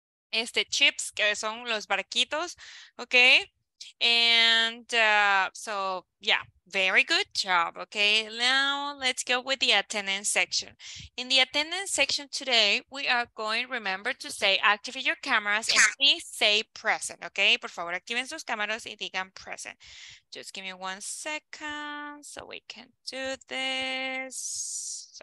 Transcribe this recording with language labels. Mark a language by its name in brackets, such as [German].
[Spanish] este chips, que son los barquitos, okay? [English] And so yeah, very good job. Okay, now let's go with the attendance section. In the attendance section today, we are going, remember to say, activate your cameras and please say present. [Spanish] Okay, por favor, activen sus cámaras y digan present. [English] Just give me 1 second so we can do this.